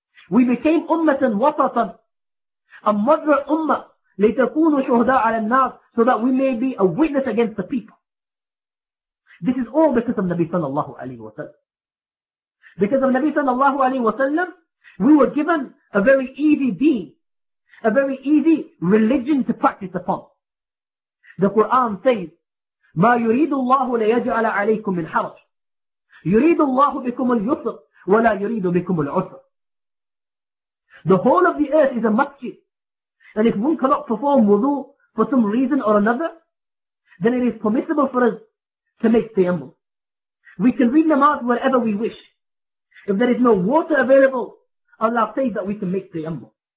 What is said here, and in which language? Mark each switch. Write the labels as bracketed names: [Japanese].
[English] We became ummatan wasatan, a moderate ummah, لِتَكُونُ شُهْدَاءَ عَلَى النَّاسِ, so that we may be a witness against the people. This is all because of Nabi sallallahu alayhi wa sallam. Because of Nabi sallallahu alayhi wa sallam, we were given a very easy deen, a very easy religion to practice upon. [Arabic] The Quran says, مَا يُرِيدُ اللَّهُ لَيَجْعَلَ عَلَيْكُمْ مِنْ حَرَجٍ, يُرِيدُ اللَّهُ بِكُمُ الْيُسْرَ وَلَا يُرِيدُ بِكُمُ الْعُسْرَ. [English] The whole of the earth is a masjid, and if one cannot perform wudu for some reason or another, then it is permissible for us to make tayammum. We can read namaz wherever we wish. If there is no water available, Allah says that we can make tayammum.